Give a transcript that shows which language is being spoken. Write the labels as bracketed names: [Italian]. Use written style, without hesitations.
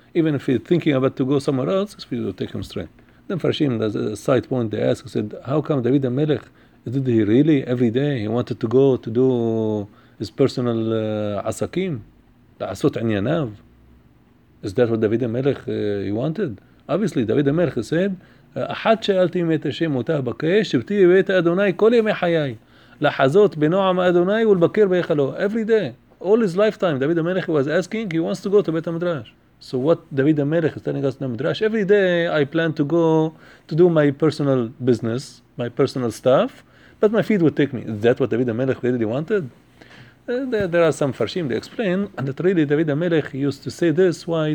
[English] Even if he's thinking about to go somewhere else, his feet will take him straight. Then Farshim, a side point, they ask, said, how come David HaMelech, did he really, every day, he wanted to go to do his personal asakim? [Hebrew] La'asot anyanav? [English] Is that what David HaMelech he wanted? Obviously, David HaMelech said, [Hebrew] אחד שאלתי מבית השם אותה בקש, שבתי בבית אדוני כל ימי חיי, לחזות בנועם אדוני ולבקר ביחלו. [English] Every day, all his lifetime, David HaMelech was asking, he wants to go to Beit HaMidrash. So what David HaMelech is telling us in the Midrash, every day I plan to go to do my personal business, my personal stuff, but my feet would take me. Is that what David HaMelech really wanted? There are some farshim, they explain, and that really David HaMelech used to say this, why?